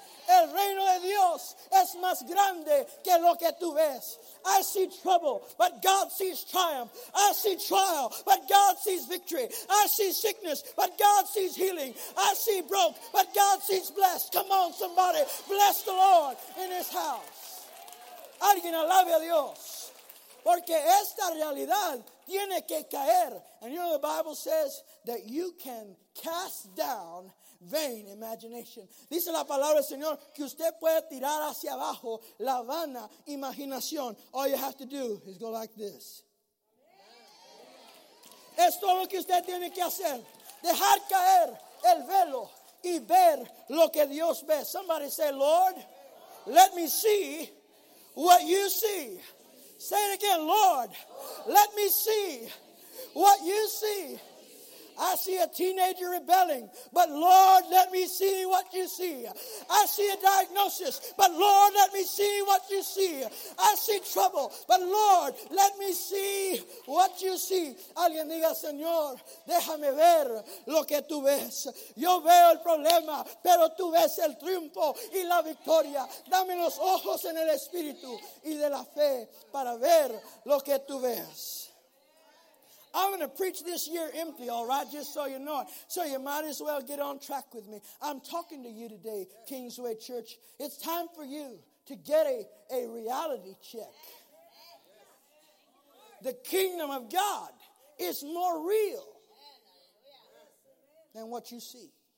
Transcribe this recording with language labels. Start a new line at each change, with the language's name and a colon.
Spanish: El reino de Dios es más grande que lo que tú ves.
English: I see trouble, but God sees triumph. I see trial, but God sees victory. I see sickness, but God sees healing. I see broke, but God sees blessed. Come on, somebody, bless the Lord in his house.
Spanish: Alguien alabe a Dios. Porque esta realidad tiene que caer.
English: And you know the Bible says that you can cast down vain imagination.
Spanish: Dice la palabra del Señor que usted puede tirar hacia abajo la vana imaginación.
English: All you have to do is go like this.
Spanish: Es todo lo que usted tiene que hacer. Dejar caer el velo y ver lo que Dios ve.
English: Somebody say, Lord, let me see what you see. Say it again, Lord, let me see what you see. I see a teenager rebelling, but Lord, let me see what you see. I see a diagnosis, but Lord, let me see what you see. I see trouble, but Lord, let me see what you see.
Spanish: Alguien diga, Señor, déjame ver lo que tú ves. Yo veo el problema, pero tú ves el triunfo y la victoria. Dame los ojos en el espíritu y de la fe para ver lo que tú ves.
English: I'm going to preach this year empty, all right, just so you know it. So you might as well get on track with me. I'm talking to you today, Kingsway Church. It's time for you to get a reality check. The kingdom of God is more real than what you see.